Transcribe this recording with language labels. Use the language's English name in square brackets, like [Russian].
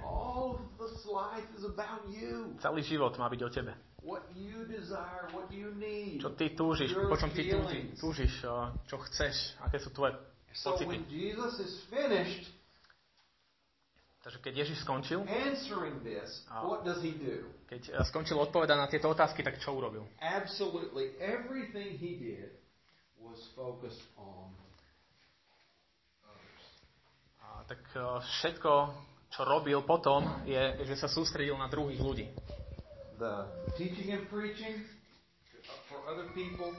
[English] All of this life is about you. [Slovak] Celý život má byť o tebe. [English] What you desire, what you need. [Slovak] Čo ty túžiš, po čom ty túžiš, čo chceš, aké sú tvoje pocity. [English] So when Jesus is finished, [Slovak] Takže keď Ježiš skončil, [English] answering this, what does he do? [Slovak] Keď skončil odpovedať na tieto otázky, tak čo urobil? [English] Absolutely everything he did was focused on others. [Slovak] A tak všetko, čo robil potom, je, že sa sústredil na druhých ľudí. [English] The teaching and preaching for other people.